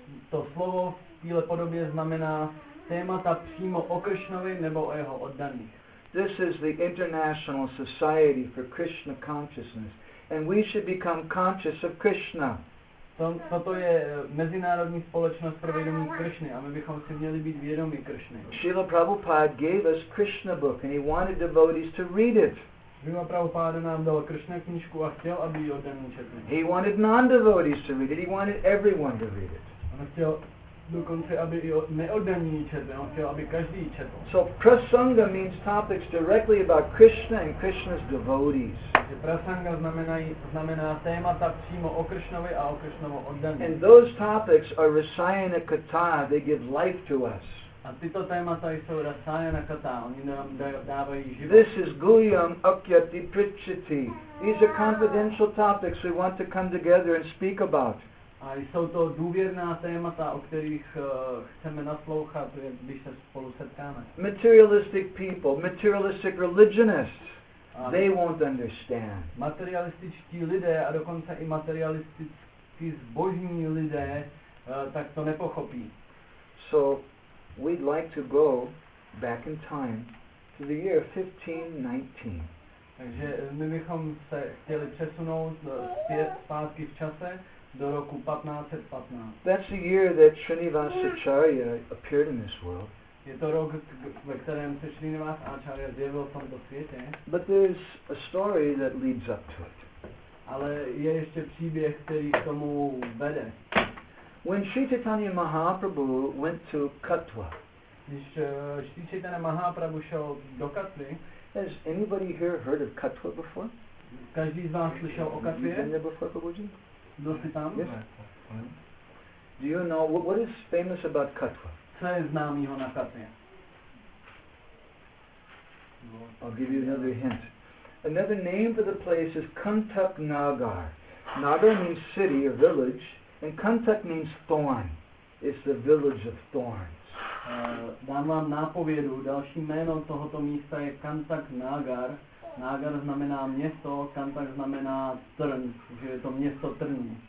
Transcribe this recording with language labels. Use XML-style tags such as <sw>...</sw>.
<cs>To slovo v téhle podobě znamená témata přímo o Krishnovi nebo o jeho oddaných.</cs> <en>This is the International Society for Krishna Consciousness. And we should become conscious of Krishna.</en> <cs>Toto je mezinárodní společnost pro vědomí Krishny a my bychom si měli být vědomí Krishny.</cs> <en>Srila Prabhupada gave us Krishna book and he wanted devotees to read it.</en> <cs>Srila Prabhupada nám dal Krishna knížku a chtěl, aby ji oddaní četli.</cs> <en>He wanted non-devotees to read it, he wanted everyone to read it.</en> <cs>On chtěl dokonce, aby ji neoddaní četli, on chtěl, aby každý četl.</cs> <en>So prasanga means topics directly about Krishna and Krishna's devotees.</en> <cs>Prasanga znamená témata přímo o Krishnovi a o Krishnovo oddaní.</cs> <en>And those topics are rasayana katha, they give life to us.</en> <cs>A tyto témata jsou rasayana katha, oni nám dávají život.</cs> <en>This is</en> <sa>guhyam akyati pricchati.</sa> <en>These are confidential topics we want to come together and speak about.</en> <cs>A jsou to důvěrná témata, o kterých chceme naslouchat, když se spolu setkáme.</cs> <en>Materialistic people, materialistic religionists. They won't understand.</en> <cs>Materialističtí lidé a dokonce i materialistický zbožní lidé tak to nepochopí.</cs> <en>So we'd like to go back in time to the year 1519.</en> <cs>Takže my bychom se chtěli přesunout zpátky v čase do roku 1515.</cs> <en>That's the year that Srinivasacharya appeared in this world.</en> <cs>Je to rok, ve kterém se Srinivas Acharya zjevil v tomto světě.</cs> <en>But there's a story that leads up to it.</en> <cs>Ale je ještě příběh, který k tomu vede.</cs> <en>When Sri Chaitanya Mahaprabhu went to Katva.</en> <cs>Když Sri Chaitanya Mahaprabhu šel do Katvy.</cs> <en>Has anybody here heard of Katva before?</en> <cs>Každý z vás slyšel o Katvě?</cs> <en>You've been there before, Prabhuji?</en> <cs>Byl jsi tam?</cs> <en>Yes. Do you know, what is famous about Katva?</en> <cs>Co je známýho na Katvě?</cs> <en>I'll give you another hint. Another name for the place is Kantak Nagar. Nagar means city or village, and Kantak means thorn. It's the village of thorns.</en> <cs>Dám vám nápovědu. Další jméno tohoto místa je Kantak Nagar. Nagar znamená město, Kantak znamená trn, že je to město trn.</cs>